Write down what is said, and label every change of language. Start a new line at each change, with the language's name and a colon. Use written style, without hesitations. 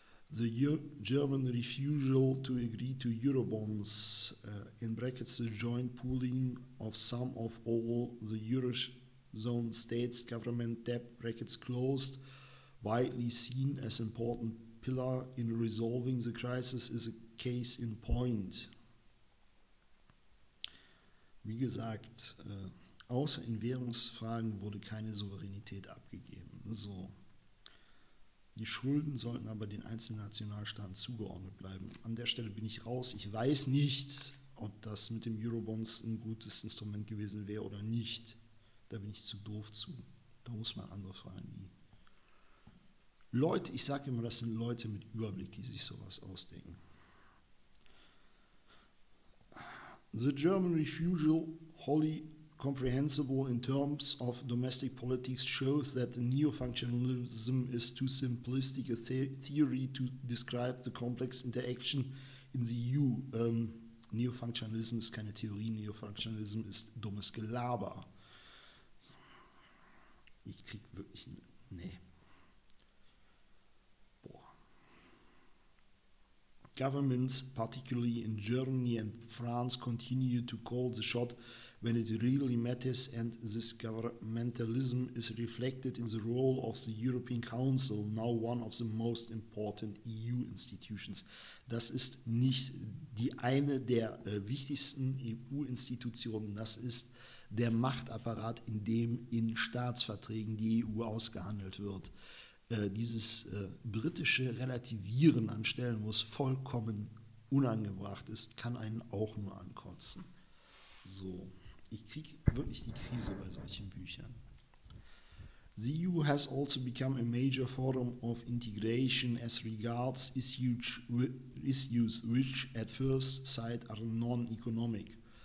English: The German refusal to agree to Eurobonds, in brackets the joint pooling of some of all the Eurozone states' government debt, brackets closed, widely seen as important pillar in resolving the crisis, is a case in point.
German: Wie gesagt, außer in Währungsfragen wurde keine Souveränität abgegeben. So. Die Schulden sollten aber den einzelnen Nationalstaaten zugeordnet bleiben. An der Stelle bin ich raus. Ich weiß nicht, ob das mit dem Eurobonds ein gutes Instrument gewesen wäre oder nicht. Da bin ich zu doof zu. Da muss man andere fragen. Wie. Leute, ich sage immer, das sind Leute mit Überblick, die sich sowas ausdenken.
English: The German refusal, wholly comprehensible in terms of domestic politics, shows that neo-functionalism is too simplistic a theory to describe the complex interaction in the EU.
German: Neo-functionalism ist keine Theorie, neo-functionalism ist dummes Gelaber. Ich krieg wirklich nee.
English: Governments, particularly in Germany and France, continue to call the shot when it really matters, and this governmentalism is reflected in the role of the European Council, now one of the most important EU institutions.
German: Das ist nicht die eine der wichtigsten EU-Institutionen, das ist der Machtapparat, in dem in Staatsverträgen die EU ausgehandelt wird. Dieses britische Relativieren an Stellen, wo es vollkommen unangebracht ist, kann einen auch nur ankotzen. So, ich kriege wirklich die Krise bei solchen Büchern.
English: The EU has also become a major forum of integration as regards issues which at first sight are non-economic.